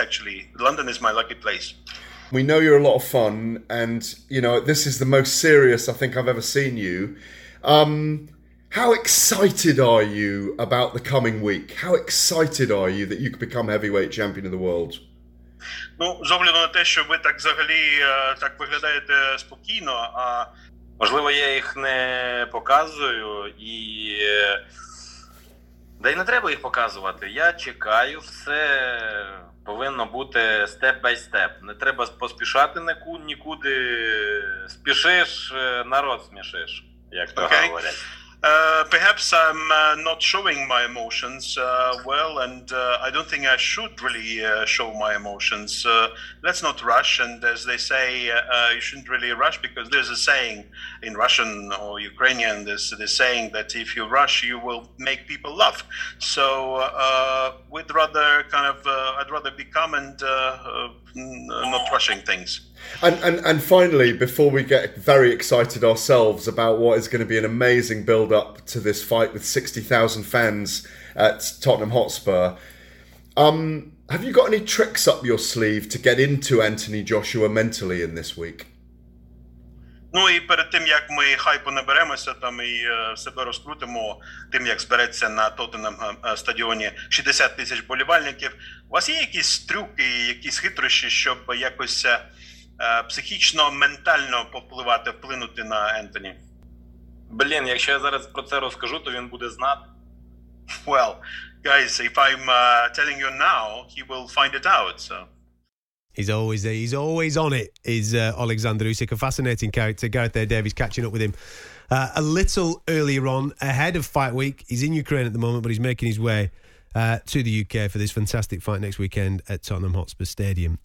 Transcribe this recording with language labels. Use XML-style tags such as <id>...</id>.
<en>Actually, London is my lucky place. We know you're a lot of fun, and you know this is the most serious I think I've ever seen you. How excited are you about the coming week? How excited are you that you could become heavyweight champion of the world?</en> <uk>Ну, з огляду на те, що ви так взагалі так виглядаєте спокійно, а можливо, я їх не показую, і да й не треба їх показувати. Я чекаю, все повинно бути</uk> <en>step by step.</en> <uk>Не треба поспішати нікуди. Спішиш, народ смішиш, як то говорять.</uk> <en>Perhaps I'm not showing my emotions well, and I don't think I should really show my emotions. Let's not rush, and as they say, you shouldn't really rush, because there's a saying in Russian or Ukrainian, there's the saying that if you rush, you will make people laugh. So we'd rather kind of, I'd rather be calm and not rushing things. And finally, before we get very excited ourselves about what is going to be an amazing build-up to this fight with 60,000 fans at Tottenham Hotspur, Have you got any tricks up your sleeve to get into Anthony Joshua mentally in this week?</en> <uk>Ну і перед тим, як ми хайпу наберемося там і себе розкрутимо, тим, як збереться на Тоттенхем стадіоні 60 тисяч болівальників, у вас є якісь трюки, якісь хитрощі, щоб якось психічно, ментально повпливати, вплинути на Ентоні? Блін, якщо я зараз про це розкажу, то він буде знати.</uk> <en>Well, guys, if I'm telling you now, he will find it out, so... He's always there. He's always on it, is Oleksandr Usyk. A fascinating character. Gareth Davies catching up with him a little earlier on, ahead of fight week. He's in Ukraine at the moment, but he's making his way to the UK for this fantastic fight next weekend at Tottenham Hotspur Stadium.</en>